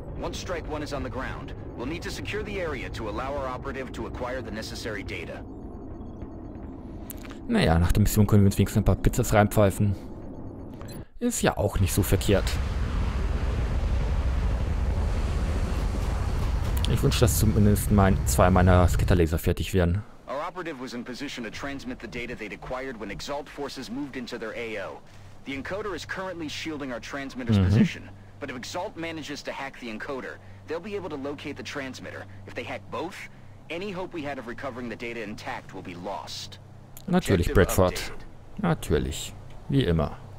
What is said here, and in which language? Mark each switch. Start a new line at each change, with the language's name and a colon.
English: Once Strike One is on the ground, we'll need to secure the area to allow our operative to acquire the necessary data.
German: Naja, nach der Mission können wir uns wenigstens ein paar Pizzas reinpfeifen. Ist ja auch nicht so verkehrt. Ich wünsche, dass zumindest zwei meiner Scatterlaser fertig werden.
English: Our operative was in position to transmit the data they'd acquired when Exalt forces moved into their AO. The encoder is currently shielding our transmitter's position. But if Exalt manages to hack the encoder, they'll be able to locate the transmitter. If they hack both, any hope we had of recovering the data intact will be lost.
German: Natürlich, Bradford. Natürlich. Wie immer.